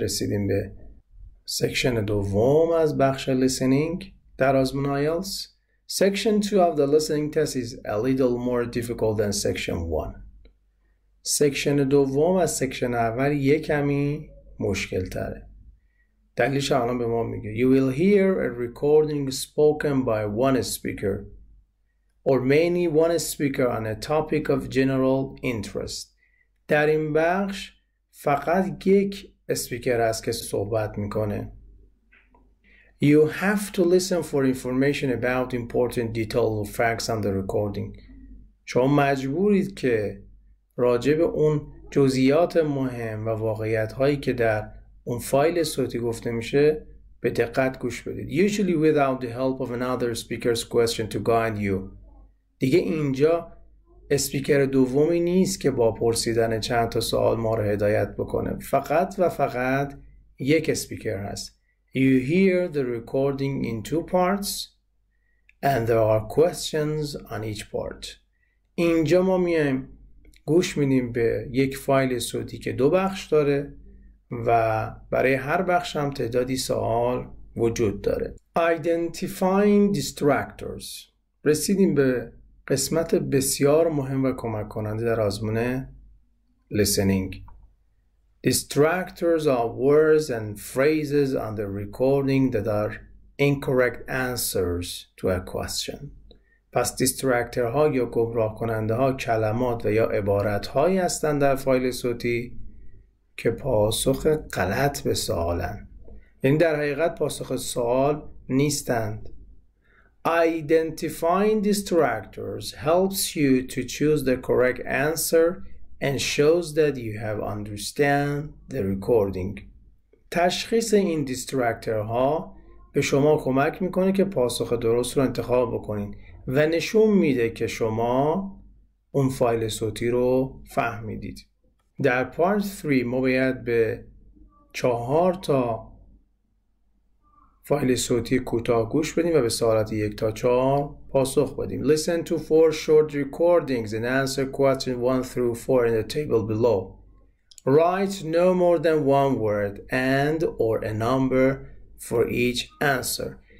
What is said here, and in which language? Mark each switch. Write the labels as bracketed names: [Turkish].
[Persian] رسیدیم به سکشن دوم از بخش listening در آزمون آیلتس. [English] Section 2 of the listening test is a little more difficult than section 1. [Persian] سکشن دوم از سکشن اول یه کمی مشکل تره. دلیلش الان به ما میگه. [English] You will hear a recording spoken by one speaker or many one speaker on a topic of general interest. [Persian] در این بخش فقط یک اسپیکر است که صحبت میکنه. [English] You have to listen for information about important detail or facts on the recording. [Persian] شما مجبورید که راجع به اون جزئیات مهم و واقعیت‌هایی که در اون فایل صوتی گفته میشه به دقت گوش بدید. [English] Usually without the help of another speaker's question to guide you. [Persian] دیگه اینجا اسپیکر دومی نیست که با پرسیدن چند تا سوال ما رو هدایت بکنه. فقط و فقط یک اسپیکر هست. [English] You hear the recording in two parts and there are questions on each part. [Persian] اینجا ما میایم گوش میدیم به یک فایل صوتی که دو بخش داره و برای هر بخش هم تعدادی سوال وجود داره. [English] Identifying distractors. [Persian] رسیدیم به قسمت بسیار مهم و کمک کننده در آزمون listening. [English] Distractors are words and phrases on the recording that are incorrect answers to a question. [Persian] پس دیسترکتر ها یا گمراه کننده ها کلمات و یا عبارت هایی هستند در فایل صوتی که پاسخ غلط به سوالن. یعنی در حقیقت پاسخ سوال نیستند. [English] Identifying distractors helps you to choose the correct answer and shows that you have understand the recording. [Persian] تشخیص این دیسترکتر ها به شما کمک میکنه که پاسخ درست رو انتخاب بکنید و نشون میده که شما اون فایل صوتی رو فهمیدید. در پارت 3 ما باید به 4 تا فایل صوتی کوتاه گوش بدیم و به سوالات 1 تا 4 پاسخ بدیم. [English] Listen to 4 short recordings and answer questions 1 through 4 in the table below. Write no more than one word and or a number for each answer.